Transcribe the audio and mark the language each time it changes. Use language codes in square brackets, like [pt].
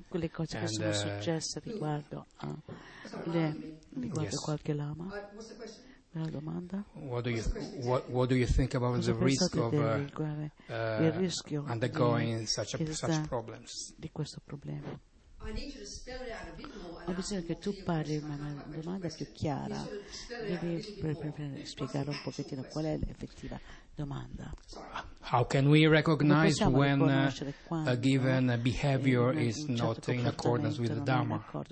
[it] Quelle cose che sono successe riguardo a riguardo qualche lama? Una domanda. [en] What do you think about the risk of undergoing such problems? [it] Di questo problema. Ho bisogno che tu parli in una domanda più chiara. Devi spiegare un pochettino qual è l'effettiva domanda. [en] How can we recognize when a given behavior is not in accordance with the Dharma?